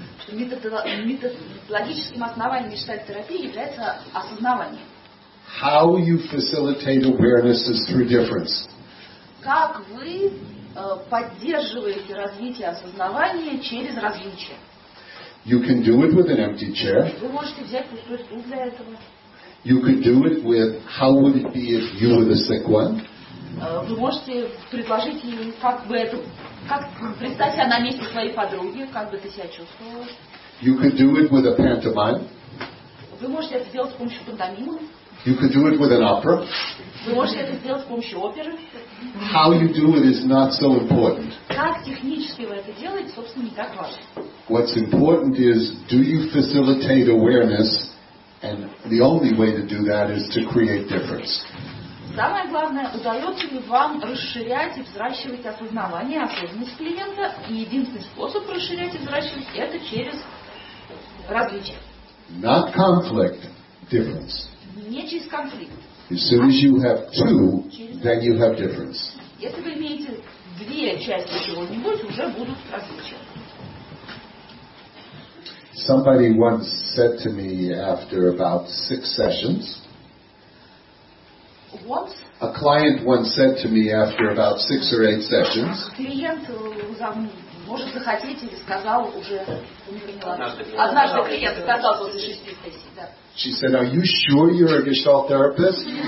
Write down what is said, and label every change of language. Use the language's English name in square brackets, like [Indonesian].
[Russian] Методологическим основанием Gestalt терапии является осознавание. [English] How you facilitate awareness is through difference. [Russian] Как вы поддерживаете развитие осознавания через различие? [English] You can do it with an empty chair. [Russian] Вы можете взять пустой стул для этого. [English] You could do it with how would it be if you were the sick one? [Russian] Вы можете предложить ей, как бы это, как представь себя на месте своей подруги, как бы ты себя чувствовала? [English] You could do it with a pantomime. [Russian] Вы можете это сделать с помощью пантомимы. [English] You could do it with an opera. [Russian] Вы можете это сделать с помощью оперы. [English] How you do it is not so important. [Russian] Как технически вы это делаете, собственно, не так важно. [English] What's important is, do you facilitate awareness? And the only way to do that is to create difference. [Russian] Самое главное, удается ли вам расширять и взращивать осознавание, осознанность клиента, и единственный способ расширять и взращивать это через различие. [English] Not conflict, difference. [Russian] Не через конфликт. [English] As soon as you have two, then you have difference. [Russian] Если вы имеете две части чего-нибудь, уже будут различия. [English] Somebody once said to me after about six sessions. What? A client once said to me after about six or eight sessions. [Russian] Клиент может захотеть или сказал уже. Однажды клиент сказал после шести сессий. Да. [English] She said, "Are you sure you're a Gestalt therapist?"